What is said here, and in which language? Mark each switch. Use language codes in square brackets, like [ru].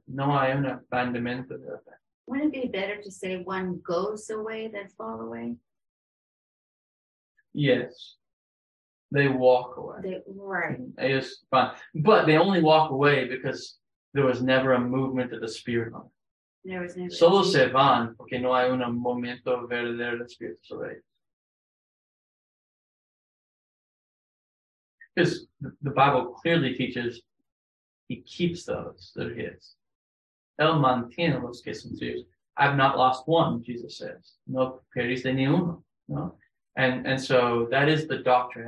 [es] No hay un abandonamiento de la fe. [en] Wouldn't it be better to say one goes away than fall away? Yes, they walk away. Right. It's fine. But they only walk away because there was never a movement of the Spirit on it. There was never. [es] Solo se van porque no hay un momento verdadero del Espíritu sobre ellos. [en] Because the Bible clearly teaches he keeps those that are his. [es] El mantiene los que son suyos. [en] I've not lost one, Jesus says. [es] No perdiste ni uno. No. [en] And so that is the doctrine.